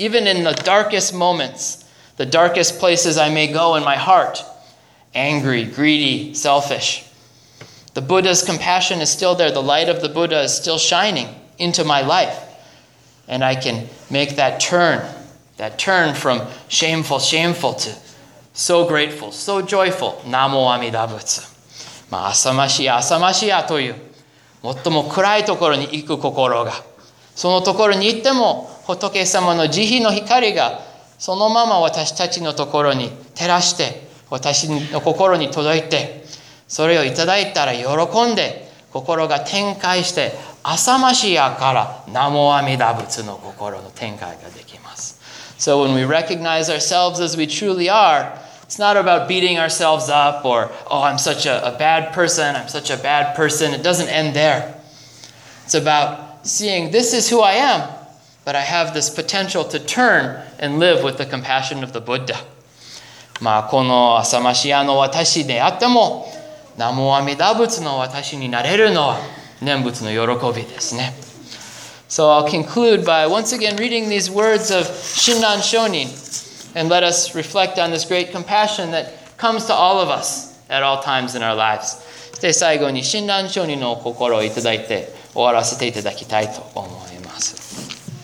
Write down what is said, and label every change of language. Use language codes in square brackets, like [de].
[en] Even in the darkest moments, the darkest places I may go in my heart, angry, greedy, selfish, the Buddha's compassion is still there. The light of the Buddha is still shining into my life. And I can make that turn from shameful, shameful to so grateful, so joyful. [ja] Namo Amida Butsu. まあ、浅ましや浅ましやという最も暗いところに行く心が、そのところに行っても仏様の慈悲の光がそのまま私たちのところに照らして、私の心に届いて、それをいただいたら喜んで心が展開して、浅ましやから南無阿弥陀仏の心の展開ができます。 [en] So when we recognize ourselves as we truly are, it's not about beating ourselves up or, oh, I'm such a bad person, I'm such a bad person. It doesn't end there. It's about seeing this is who I am, but I have this potential to turn and live with the compassion of the Buddha. [ja] まあ、この浅ましやの私であっても、南無阿弥陀仏の私になれるのは念仏の喜びですね。 [en] So I'll conclude by once again reading these words of Shinran Shonin and let us reflect on this great compassion that comes to all of us at all times in our lives. [ja] で、最後に Shinran Shonin の心をいただいて終わらせていただきたいと思います。